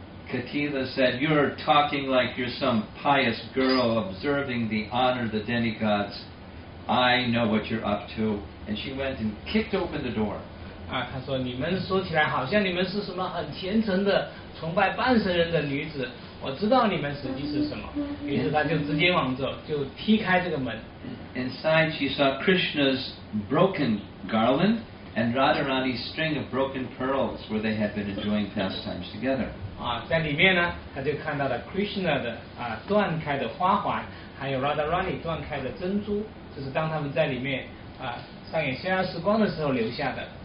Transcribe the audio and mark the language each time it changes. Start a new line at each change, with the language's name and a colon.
English: Katila said, "You're talking like you're some pious girl observing the honor of the demigods. I know what you're up to." And she went and kicked open the door.
Chinese: 她说你们说起来好像你们是什么很虔诚的崇拜半神人的女子。我知道你们实际是什么。于是她就直接往走，就踢开这个门。
English: Inside, she saw Krishna's broken garland and Radharani's string of broken pearls, where they had been enjoying pastimes together.
Chinese: 在里面呢，他就看到了 Krishna 的断开的花环，还有 Radharani 断开的珍珠，这是当他们在里面上演逍遥时光的时候留下的。